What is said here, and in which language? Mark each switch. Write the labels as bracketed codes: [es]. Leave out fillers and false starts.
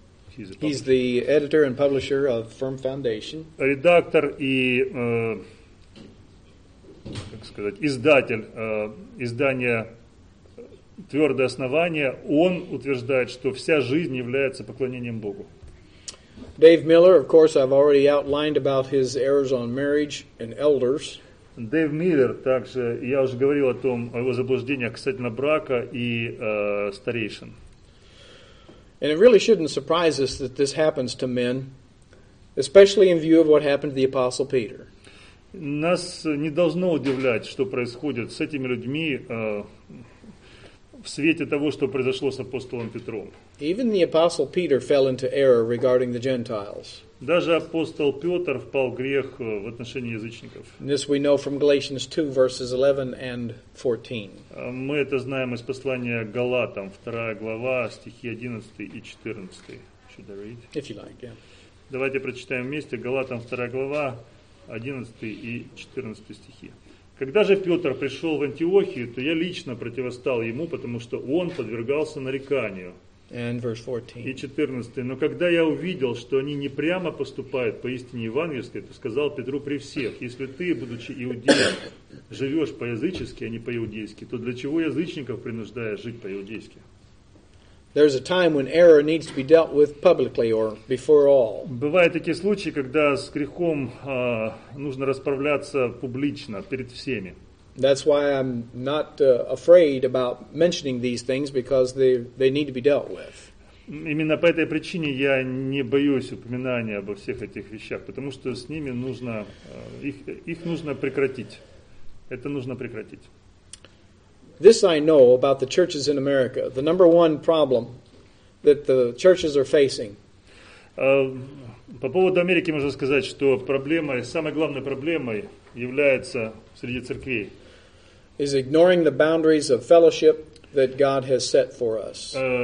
[en] he's the editor and publisher of Firm Foundation. [ru] Редактор и, как сказать, издатель издания «Твердое основание», он утверждает, что вся жизнь является поклонением Богу. [en] Dave Miller, of course, I've already outlined about his errors on marriage and elders. [ru] Dave Miller, также я уже говорил о том, о его заблуждениях касательно брака и старейшин. [en] And it really shouldn't surprise us that this happens to men, especially in view of what happened to the Apostle Peter. [ru] Нас не должно удивлять, что происходит с этими людьми в свете того, что произошло с апостолом Петром. [en] Even the Apostle Peter fell into error regarding the Gentiles. [ru] Даже апостол Петр впал в грех в отношении язычников. [en] This we know from Galatians 2, verses 11 and 14. [ru] Мы это знаем из послания Галатам, 2 глава, стихи 11 и 14. [en] Should I read? If you like, yeah. [ru] Давайте прочитаем вместе Галатам, 2 глава, 11 и 14 стихи. «Когда же Петр пришел в Антиохию, то я лично противостал ему, потому что он подвергался нареканию». [en] And verse 14. [ru] И 14. «Но когда я увидел, что они не прямо поступают по истине евангельской, то сказал Петру при всех, если ты, будучи иудеем, живешь по-язычески, а не по-иудейски, то для чего язычников принуждаешь жить по-иудейски?» [en] There's a time when error needs to be dealt with publicly or before all. [ru] Бывают такие случаи, когда с грехом нужно расправляться публично, перед всеми. [en] That's why I'm not afraid about mentioning these things, because they need to be dealt with. [ru] Именно по этой причине я не боюсь упоминания обо всех этих вещах, потому что с ними нужно их нужно прекратить. Это нужно прекратить. [en] This I know about the churches in America. The number one problem that the churches are facing. [ru] По поводу Америки можно сказать, что проблемой, самой главной проблемой является среди церквей. [en] Is ignoring the boundaries of fellowship that God has set for us.